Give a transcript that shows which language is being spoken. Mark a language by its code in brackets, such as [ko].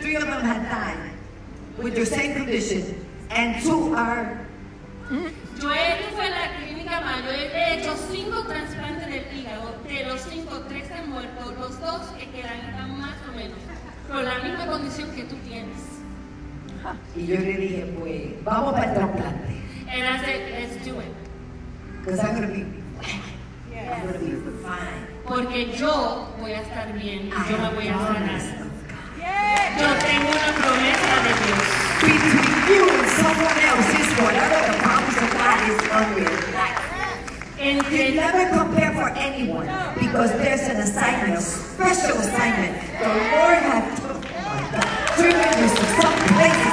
[en] 3 of them had died with the same condition. And 2 are... [es] Yo he hecho en la clínica mayor, he hecho 5 trasplantes del hígado, de los 5, 3 han muerto, los 2 que quedan están más o menos, con la misma condición que tú tienes. Y yo le dije, pues, vamos para el trasplante. [en] And I said, let's do it. Because I'm going to be fine. [es] Porque yo voy a estar bien, y yo me voy a sanar. Yo tengo una promesa de Dios. [en] Between you and someone else is whatever the promise of God is unreal. You never compare for anyone because there's an assignment, a special assignment. The Lord has driven you to some places.